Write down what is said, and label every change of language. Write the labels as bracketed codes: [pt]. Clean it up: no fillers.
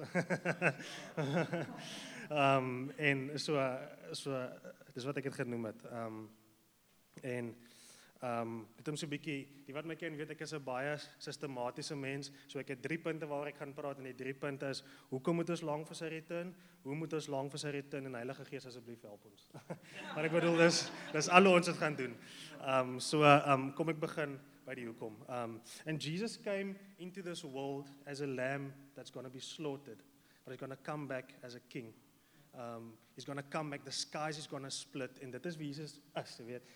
[af] en so dis wat ek het genoem het. Het hom so bietjie, die wat my ken weet, ek is 'n baie sistematiese mens, so ek het 3 punte waar ek gaan praat, en die 3 punte is, hoekom moet ons lang vir sy return, hoe moet ons lang vir sy return, en Heilige Gees asseblief help ons. Maar ek bedoel, dis al ons het gaan doen. Kom ek begin by die hoekom. [en] And Jesus came into this world as a lamb that's going to be slaughtered, but he's going to come back as a king. He's going to come back, the skies is going to split, and that is [af] wie Jesus is, weet.